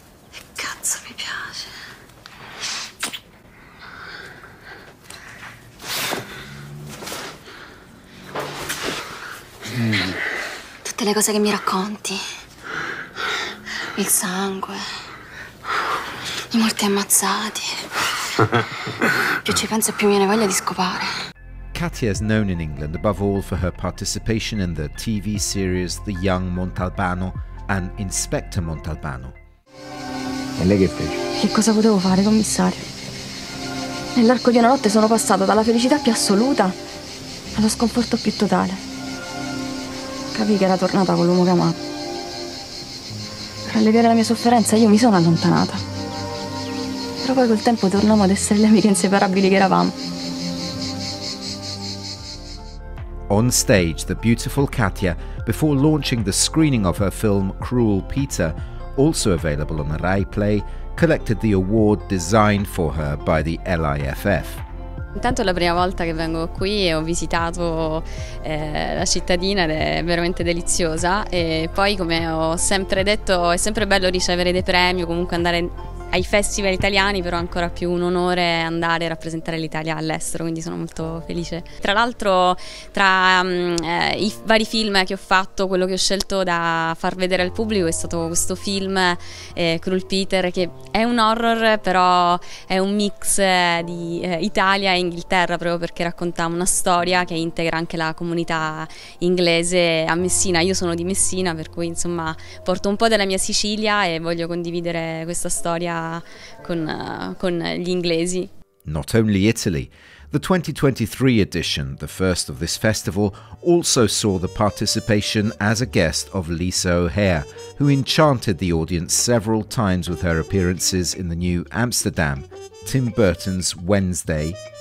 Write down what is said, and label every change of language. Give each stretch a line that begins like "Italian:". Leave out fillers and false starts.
Italian: Che cazzo mi piace. Tutte le cose che mi racconti. Il sangue. Molti ammazzati. Più ci penso, più mi viene voglia di scopare.
English: Katia is known in England above all for her participation in the TV series The Young Montalbano and Inspector Montalbano.
Italian: E lei che fece? Che cosa potevo fare, commissario? Nell'arco di una notte sono passata dalla felicità più assoluta allo sconforto più totale. Capii che era tornata con l'uomo che amavo. Per alleviare la mia sofferenza, io mi sono allontanata. Però poi col tempo tornammo ad essere le amiche inseparabili che eravamo.
English: On stage, the beautiful Katia, before launching the screening of her film Cruel Peter, also available on Rai Play, collected the award designed for her by the LIFF.
Italian: Intanto è la prima volta che vengo qui e ho visitato la cittadina ed è veramente deliziosa. E poi, come ho sempre detto, è sempre bello ricevere dei premi o comunque andare ai festival italiani, però ancora più un onore andare a rappresentare l'Italia all'estero, quindi sono molto felice. Tra l'altro, tra i vari film che ho fatto, quello che ho scelto da far vedere al pubblico è stato questo film, Cruel Peter, che è un horror, però è un mix di Italia e Inghilterra, proprio perché racconta una storia che integra anche la comunità inglese a Messina. Io sono di Messina, per cui insomma porto un po' della mia Sicilia e voglio condividere questa storia con gli inglesi.
English: Not only Italy, the 2023 edition, the first of this festival, also saw the participation as a guest of Lisa O'Hare, who enchanted the audience several times with her appearances in the New Amsterdam, Tim Burton's Wednesday,